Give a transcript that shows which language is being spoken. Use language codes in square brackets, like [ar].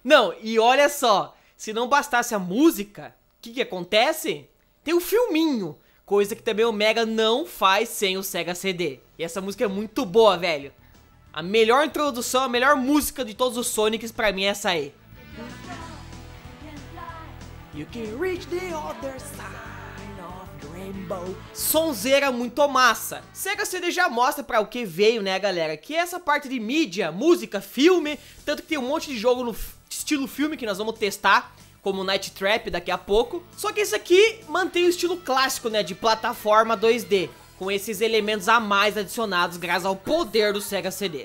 [pt] Não, e olha só, se não bastasse a música, o que que acontece? Tem um filminho, coisa que também o Mega não faz sem o Sega CD. E essa música é muito boa, velho. A melhor introdução, a melhor música de todos os Sonics pra mim é essa aí. [en] You can reach the other side of the rainbow. [pt] Sonzeira muito massa. Sega CD já mostra pra o que veio, né, galera? Que é essa parte de mídia, música, filme. Tanto que tem um monte de jogo no estilo filme que nós vamos testar, como Night Trap daqui a pouco. Só que esse aqui mantém o estilo clássico, né, de plataforma 2D, com esses elementos a mais adicionados graças ao poder do Sega CD.